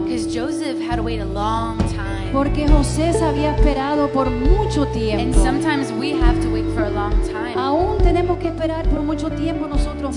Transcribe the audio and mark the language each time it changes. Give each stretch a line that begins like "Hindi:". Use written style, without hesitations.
English: Because Joseph had to wait a long time.
Spanish: Porque José se había esperado por mucho tiempo.
English: And sometimes we have to wait for a long time.
Spanish: Aún tenemos que esperar por mucho tiempo nosotros